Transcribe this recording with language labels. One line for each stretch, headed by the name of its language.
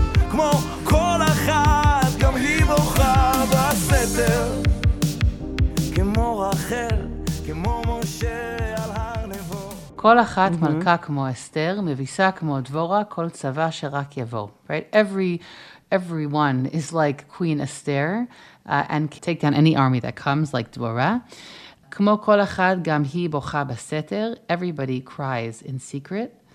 Hebrew: כמו כל אחת, גם היא בוכה בסתר כמו רחל, כמו משה על הר נבו כל אחת מלכה כמו אסתר, מביסה כמו דבורה, כל צבא שרק יבוא.
English: Right? Everyone is like Queen Esther and can take down any army that comes, like Dvora.
Hebrew: כמו כל אחת, גם היא בוכה בסתר.
English: Everybody cries in secret.